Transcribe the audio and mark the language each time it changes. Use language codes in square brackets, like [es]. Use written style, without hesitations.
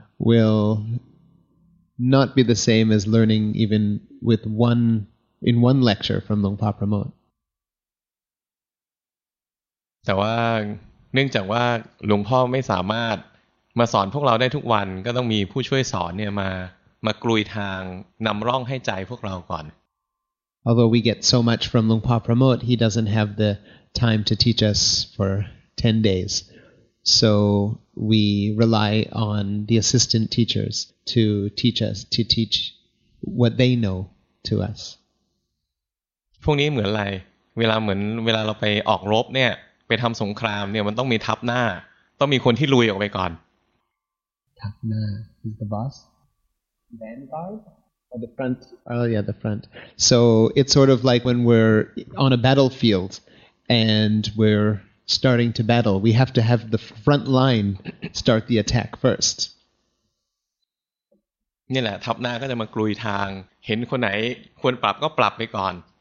[en] Will not be the same as learning even with one in one lecture from Lungpa Pramod. [th] แต่ว่าเนื่องจากว่าหลวงพ่อไม่สามารถมาสอนพวกเราได้ทุกวันก็ต้องมีผู้ช่วยสอนเนี่ยมากรุยทางนำร่องให้ใจพวกเราก่อน [en] Although we get so much from Lungpa Pramod, he doesn't have the time to teach us for 10 days. So. We rely on the assistant teachers to teach us, to teach what they know to us. [th] พวกนี้เหมือนอะไรเวลาเราไปออกรบเนี่ย ไปทำสงครามเนี่ยมันต้องมีทัพหน้าต้องมีคนที่ลุยออกไปก่อน [en] ทัพหน้า is the boss vanguard or the front oh yeah the front so it's sort of like when we're on a battlefield and we're starting to battle we have to have the front line start the attack first [th] นี่แหละทัพหน้าก็จะมากรุยทางเห็นคนไหนควรปรับก็ปรับไปก่อน